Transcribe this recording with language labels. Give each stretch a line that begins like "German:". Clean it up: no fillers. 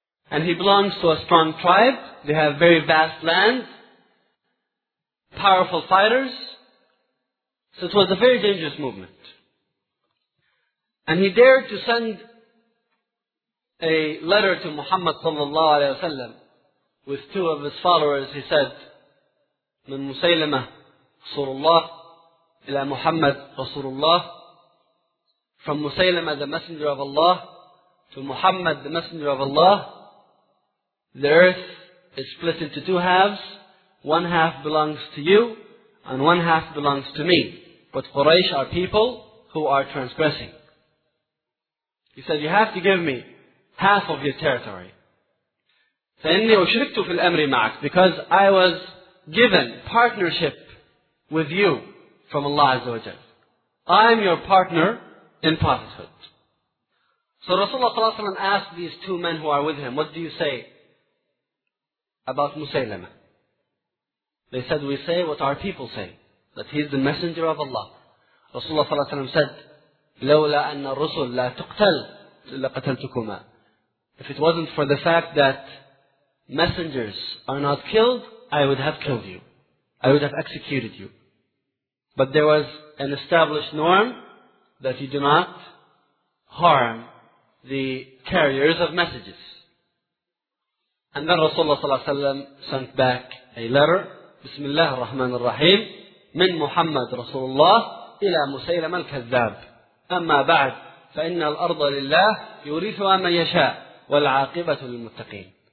English: And he belongs to a strong tribe. They have very vast land. powerful fighters. So it was a very dangerous movement. And he dared to send a letter to Muhammad sallallahu alayhi wa sallam with two of his followers. He said,
Arabic: من مسيلمة رسول الله إلى محمد رسول الله.
English: From مسيلمة, the messenger of Allah, to Muhammad, the messenger of Allah, the earth is split into two halves. One half belongs to you, and one half belongs to me. But Quraysh are people who are transgressing. He said, you have to give me half of your territory.
Arabic: فَإِنِّي أُشْرِكْتُ فِي الْأَمْرِ مَعَكْ,
English: because I was given partnership with you from Allah Azza wa Jal. I am your partner in prophethood. So Rasulullah ﷺ asked these two men who are with him, what do you say about Musaylama? They said, we say what our people say, that he is the messenger of Allah. Rasulullah ﷺ said,
Arabic: لولا أن الرسل لا تقتل لقتلتكما.
English: If it wasn't for the fact that messengers are not killed, I would have killed you. I would have executed you. But there was an established norm that you do not harm the carriers of messages. And then Rasulullah ﷺ sent back a letter, Bismillah ar-Rahman ar-Rahim,
Arabic: من محمد رسول الله إلى مسيلم الكذاب. أما بعد فإن الأرض لله يورثها من يشاء والعاقبة للمتقين.